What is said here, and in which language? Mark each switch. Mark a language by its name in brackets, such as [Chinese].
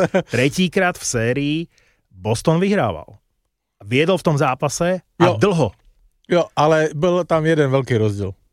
[Slovak] Tretíkrát v sérii Boston vyhrával. Viedol v tom zápase a dlho. [Czech] Jo, ale byl tam jeden velký rozdíl.